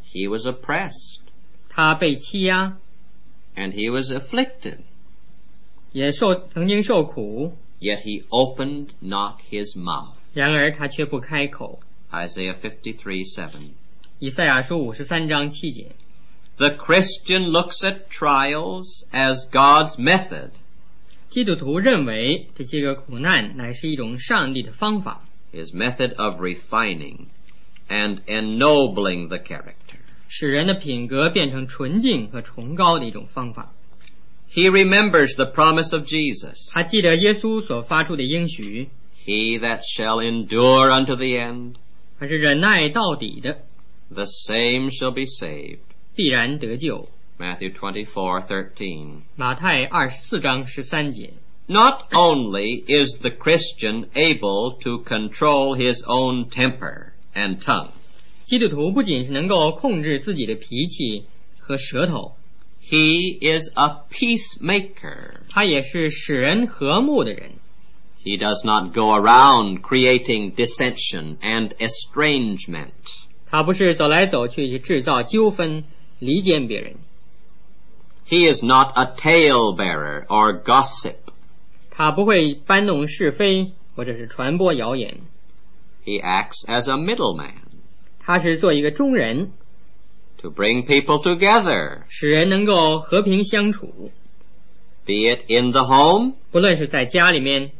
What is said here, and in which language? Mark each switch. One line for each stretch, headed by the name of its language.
English: He was oppressed.
Chinese: 他被欺压。
English: And he was afflicted.
Chinese: 也受，曾经受苦。
English: Yet he opened not his mouth.
Chinese: 然而他却不开口。
English: Isaiah 53:7.
Chinese: 以赛亚书五十三章七节
English: The Christian looks at trials as God's method.
Chinese: 基督徒认为这些个苦难乃是一种上帝的方法
English: His method of refining and ennobling the character.
Chinese: 使人的品格变成纯净和崇高的一种方法
English: He remembers the promise of Jesus.
Chinese: 他记得耶稣所发出的应许
English: He that shall endure unto the end.
Chinese: 他是忍耐到底的
English: The same shall be saved.
Chinese: 必然得救。
English: Matthew 24:13.
Chinese: 马太二十四章十三节。
English: Not only is the Christian able to control his own temper and tongue.
Chinese: 基督徒不仅是能够控制自己的脾气和舌头。
English: He is a peacemaker.
Chinese: 他也是使人和睦的人。
English: He does not go around creating dissension and estrangement.
Chinese: 他不是走来走去去制造纠纷离间别人
English: He is not a tale bearer or gossip
Chinese: 他不会搬弄是非或者是传播谣言
English: He acts as a middleman
Chinese: 他是做一个中人
English: To bring people together
Chinese: 使人能够和平相处
English: Be it in the home
Chinese: 不论是在家里面